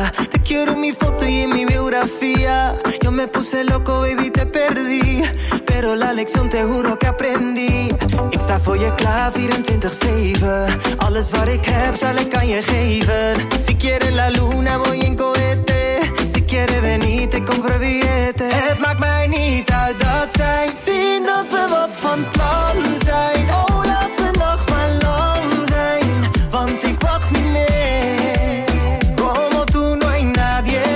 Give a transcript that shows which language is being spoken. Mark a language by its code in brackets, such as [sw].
[es] Te quiero mi foto y mi biografía. Yo me puse loco, baby, te perdí. Pero la lección te juro que aprendí. [nl] Ik sta voor je klaar 24/7. Alles wat ik heb zal ik aan je geven. [es] Si quiere la luna voy en cohete. Si quiere venir te compro billete. [nl] Het maakt mij niet uit dat zij zien dat we wat van plan zijn. Oh, laat de nacht maar lang zijn. Want ik wacht niet meer. [es] Como tú no hay nadie.